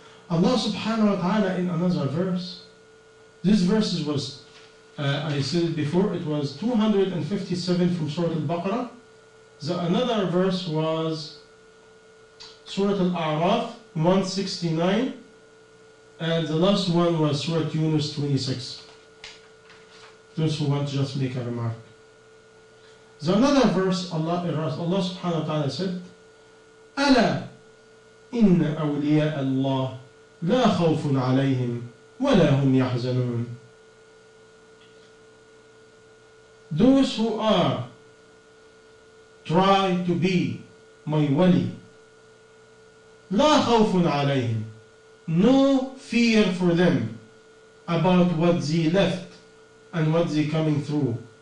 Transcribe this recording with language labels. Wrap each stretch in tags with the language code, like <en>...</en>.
<en>Allah subhanahu wa ta'ala in another verse, this verse was I said it before, it was 257 from Surah Al-Baqarah. The another verse was Surah Al-A'raf 169. And the last one was Surah Yunus 26. Those who want to just make a remark. The another verse, Allah subhanahu wa ta'ala said,</en> <ar>أَلَا إِنَّ أَوْلِيَاءَ اللَّهِ لَا خَوْفٌ عَلَيْهِمْ وَلَا هُمْ يَحْزَنُونَ.</ar> <en>Those who are try to be my wali,</en> <ar>la khawfun alayhim,</ar> <en>no fear for them about what they left and what they coming through.</en>